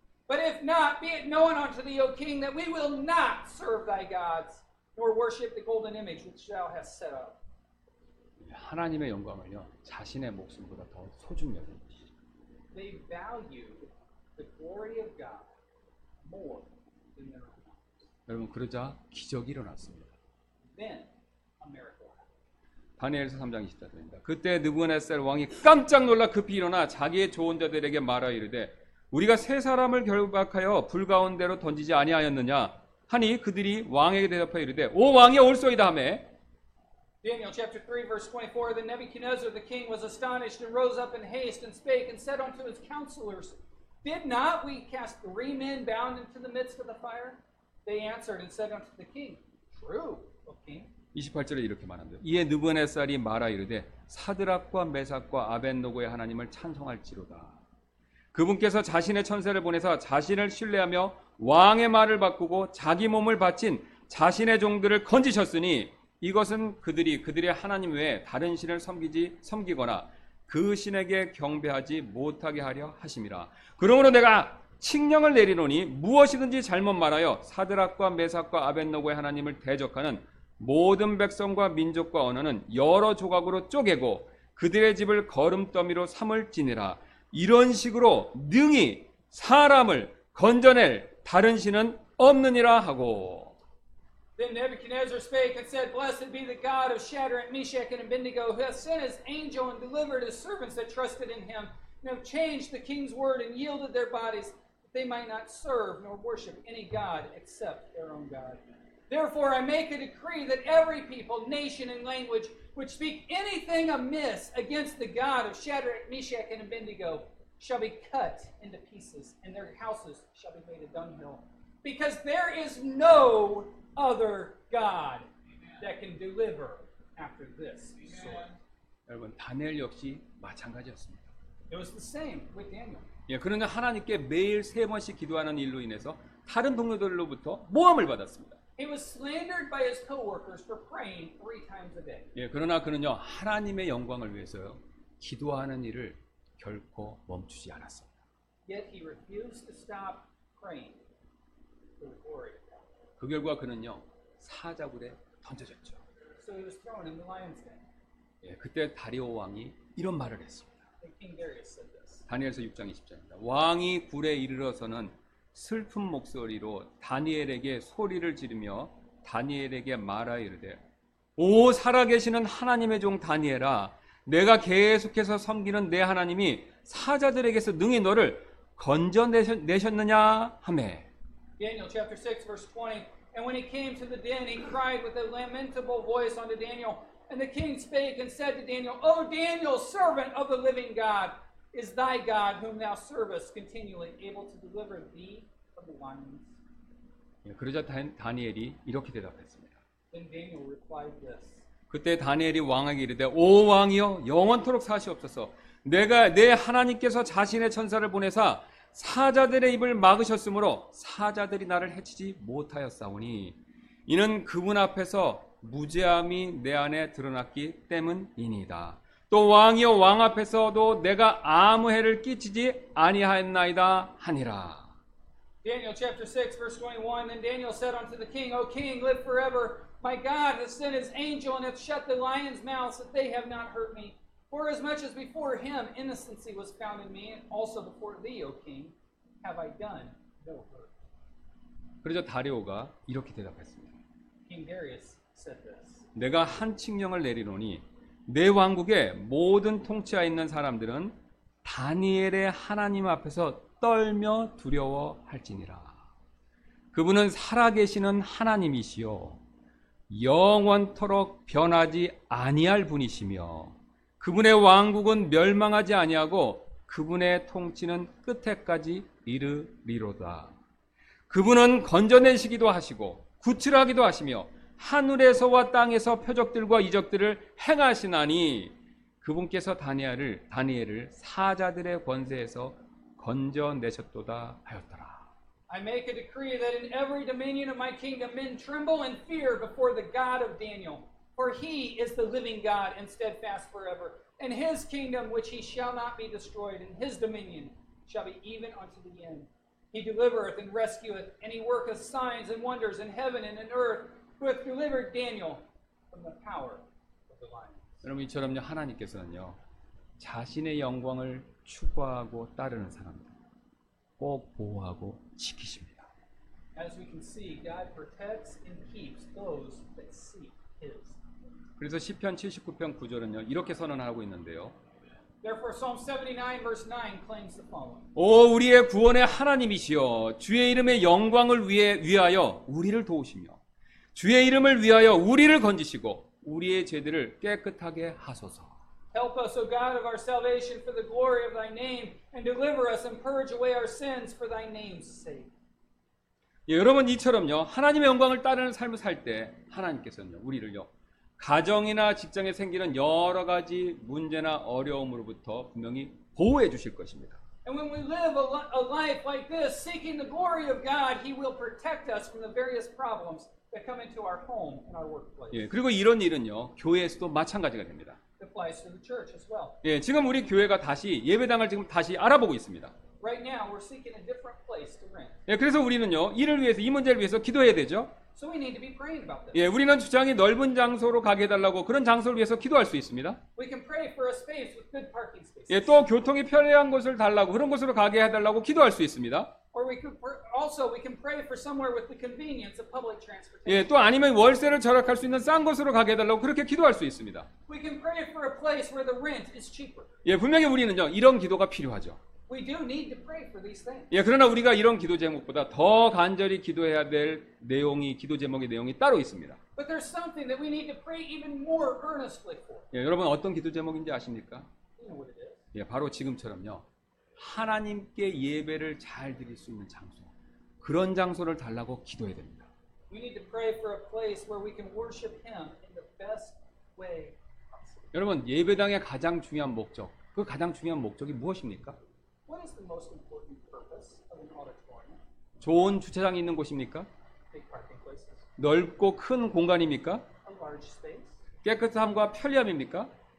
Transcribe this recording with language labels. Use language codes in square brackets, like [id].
[en] But if not, be it known unto thee, O king, that we will not serve thy gods, nor worship the golden image which thou hast set up. [ko] 하나님의 영광을요, 자신의 목숨보다 더 소중히 여기시. [en] They valued the glory of God more than their own lives. [ko] 여러분, 그러자 기적이 일어났습니다. [en] Then, [ko] 다니엘서 3장 24절입니다. 그때 느부갓네살 왕이 깜짝 놀라 급히 일어나 자기의 조언자들에게 말하여 이르되 우리가 세 사람을 결박하여 불 가운데로 던지지 아니하였느냐 하니 그들이 왕에게 대답하여 이르되 오 왕이여 옳소이다 하매 [en] Daniel chapter 3 verse 24 Then Nebuchadnezzar the king was astonished and rose up in haste and spake and said unto his counselors Did not we cast three men bound into the midst of the fire? They answered and said unto the king True, O king [ko] 28절에 이렇게 말합니다. 이에 느부갓네살이 말하 이르되 사드락과 메삭과 아벤느고의 하나님을 찬송할지로다. 그분께서 자신의 천사를 보내사 자신을 신뢰하며 왕의 말을 바꾸고 자기 몸을 바친 자신의 종들을 건지셨으니 이것은 그들이 그들의 하나님 외에 다른 신을 섬기거나 그 신에게 경배하지 못하게 하려 하심이라. 그러므로 내가 칙령을 내리노니 무엇이든지 잘못 말하여 사드락과 메삭과 아벤느고의 하나님을 대적하는 모든 백성과 민족과 언어는 여러 조각으로 쪼개고 그들의 집을 거름더미로 삼을지니라. 이런 식으로 능히 사람을 건져낼 다른 신은 없느니라 하고 [en] Then Nebuchadnezzar spake and said, Blessed be the God of Shadrach, Meshach, and Abednego, who hath sent his angel and delivered his servants that trusted in him, and have changed the king's word and yielded their bodies, that they might not serve nor worship any god except their own god. Therefore I make a decree that every people, nation, and language which speak anything amiss against the God of Shadrach, Meshach, and Abednego shall be cut into pieces, and their houses shall be made a dunghill. Because there is no other God that can deliver after this sword. [ko] 여러분, 다니엘 역시 마찬가지였습니다. [en] It was the same with Daniel. [ko] 예, 그러나 하나님께 매일 세 번씩 기도하는 일로 인해서 다른 동료들로부터 모함을 받았습니다. [en] He was slandered by his co-workers for praying three times a day. [ko] 예, 그러나 그는요 하나님의 영광을 위해서요 기도하는 일을 결코 멈추지 않았습니다. [en] Yet he refused to stop praying for glory. [ko] 그 결과 그는요 사자굴에 던져졌죠. [en] So he was thrown in the lion's den. [ko] 예, 그때 다리오 왕이 이런 말을 했습니다. [en] King Darius said this. [ko] 다니엘서 6장 20절입니다. 왕이 굴에 이르러서는 슬픈 목소리로 다니엘에게 소리를 지르며 다니엘에게 말하여 이르되 오 살아계시는 하나님의 종 다니엘아 내가 계속해서 섬기는 내 하나님이 사자들에게서 능히 너를 건져내셨느냐 하며 [en] Daniel chapter 6 verse 20 And when he came to the den he cried with a lamentable voice unto Daniel And the king spake and said to Daniel O Daniel servant of the living God Is thy God, whom thou servest, continually able to deliver thee from the lions? [ko] 예, 그러자 다니엘이 이렇게 대답했습니다. [en] Then Daniel replied this. [ko] 그때 다니엘이 왕에게 이르되 오 왕이여 영원토록 사시옵소서. 내가 내 하나님께서 자신의 천사를 보내사 사자들의 입을 막으셨으므로 사자들이 나를 해치지 못하였사오니 이는 그분 앞에서 무죄함이 내 안에 드러났기 때문이니이다. 또 왕이여 왕 앞에서도 내가 아무 해를 끼치지 아니하였나이다 하니라. [en] Daniel chapter 6 verse 21 And Daniel said unto the king, O king, live forever. My God hath sent his angel and hath shut the lions' mouths that they have not hurt me. For as much as before him innocency was found in me, also before thee, O king, have I done no hurt. [ko] 그러자 다리오가 이렇게 대답했습니다. [en] King Darius said this. [ko] 내가 한 칙령을 내리노니 내 왕국에 모든 통치하 있는 사람들은 다니엘의 하나님 앞에서 떨며 두려워할지니라. 그분은 살아계시는 하나님이시요 영원토록 변하지 아니할 분이시며 그분의 왕국은 멸망하지 아니하고 그분의 통치는 끝에까지 이르리로다. 그분은 건져내시기도 하시고 구출하기도 하시며 하늘에서와 땅에서 표적들과 이적들을 행하시나니 그분께서 다니엘을 사자들의 권세에서 건져내셨도다 하였더라. [en] I make a decree that in every dominion of my kingdom men tremble and fear before the God of Daniel, for he is the living God and steadfast forever, and his kingdom which he shall not be destroyed, and his dominion shall be even unto the end. He delivereth and rescueth, and he worketh signs and wonders in heaven and in earth. Who hath delivered Daniel from the power of the lion? [ko] 여러분 이처럼요 하나님께서는요 자신의 영광을 추구하고 따르는 사람들 꼭 보호하고 지키십니다. [en] As we can see, God protects and keeps those that seek His. [ko] 그래서 시편 79편 9절은요 이렇게 선언하고 있는데요. [en] Therefore, Psalm 79, verse 9 claims the following. [ko] 오 우리의 구원의 하나님이시여 주의 이름의 영광을 위해 위하여 우리를 도우시며 주의 이름을 위하여 우리를 건지시고 우리의 죄들을 깨끗하게 하소서. [en] Help us, O God of our salvation, for the glory of Thy name, and deliver us and purge away our sins for Thy name's sake. [ko] 예, 여러분 이처럼요 하나님의 영광을 따르는 삶을 살 때 하나님께서는요 우리를요 가정이나 직장에 생기는 여러 가지 문제나 어려움으로부터 분명히 보호해 주실 것입니다. [en] And when we live a life like this, seeking the glory of God, He will protect us from the various problems that come into our home and our workplace. [ko] 예, 그리고 이런 일은요 교회에서도 마찬가지가 됩니다. [en] It applies to the church as well. [ko] 예, 지금 우리 교회가 다시 예배당을 지금 다시 알아보고 있습니다. [en] Right now, we're seeking a different place to rent. [ko] 예, 그래서 우리는요 이를 위해서 이 문제를 위해서 기도해야 되죠. [en] So we need to be praying about this. [ko] 예, 우리는 주장이 넓은 장소로 가게 해달라고 그런 장소를 위해서 기도할 수 있습니다. [en] We can pray for a space with good parking spaces. [ko] 예, 또 교통이 편리한 곳을 달라고 그런 곳으로 가게 해달라고 기도할 수 있습니다. [en] Or we can also we can pray for somewhere with the convenience of public transportation. [ko] 예, 또 아니면 월세를 절약할 수 있는 싼 곳으로 가게 해달라고 그렇게 기도할 수 있습니다. [en] We can pray for a place where the rent is cheaper. [ko] 예, 분명히 우리는요 이런 기도가 필요하죠. [en] We do need to pray for these things. [ko] 예, 그러나 우리가 이런 기도 제목보다 더 간절히 기도해야 될 내용이 기도 제목의 내용이 따로 있습니다. [en] But there's something that we need to pray even more earnestly for. [ko] 예, 여러분 어떤 기도 제목인지 아십니까? [en] You know what it is. [ko] 예, 바로 지금처럼요. 하나님께 예배를 잘 드릴 수 있는 장소. 그런 장소를 달라고 기도해야 됩니다. [en] We need to pray for a place where we can worship him in the best way possible. [ko] 여러분, 예배당의 가장 중요한 목적. 그 가장 중요한 목적이 무엇입니까? [en] What is the most important purpose of an auditorium? [ko] 좋은 주차장이 있는 곳입니까? [en] Big parking places. [ko] 넓고 큰 공간입니까? [en] A large space. [ko] 깨끗함과 편리함입니까?